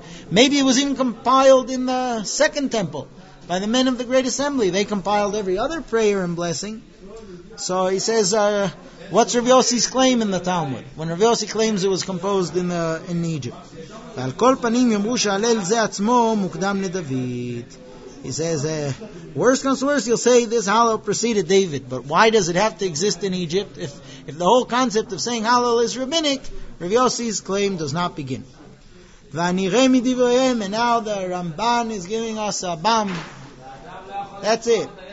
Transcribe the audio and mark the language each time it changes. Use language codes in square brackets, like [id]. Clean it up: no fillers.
[en] Maybe it was even compiled in the second temple by the men of the great assembly. They compiled every other prayer and blessing. So he says, what's Rav Yossi's claim in the Talmud? When Rav Yossi claims it was composed in Egypt. [he] ועל כל פנים יאמרו שהלל זה עצמו מוקדם לדוד. [en] He says, worst comes worst, you'll say this Hallel preceded David. But why does it have to exist in Egypt? If the whole concept of saying Hallel is rabbinic, Rav Yossi's claim does not begin. And now the Ramban is giving us a bomb. That's it.